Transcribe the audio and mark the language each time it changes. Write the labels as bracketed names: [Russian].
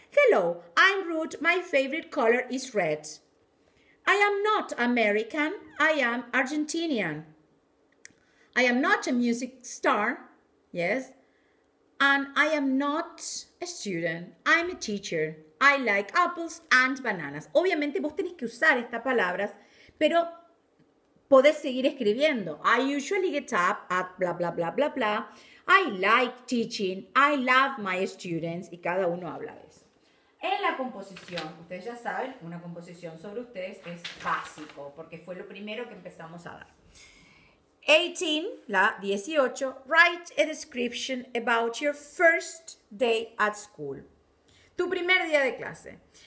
[English] Hello, I'm Ruth, my favorite color is red. I am not American, I am Argentinian. I am not a music star, yes. And I am not a student, I'm a teacher. I like apples and bananas. [Spanish] Obviamente vos tenés que usar estas palabras, pero podés seguir escribiendo. [English] I usually get up at bla, bla, bla, bla, bla. I like teaching. I love my students. [Spanish] Y cada uno habla de eso. En la composición, ustedes ya saben, una composición sobre ustedes es básico, porque fue lo primero que empezamos a dar. [English] 18, [Spanish] la 18, [English] write a description about your first day at school. [Spanish] Tu primer día de clase.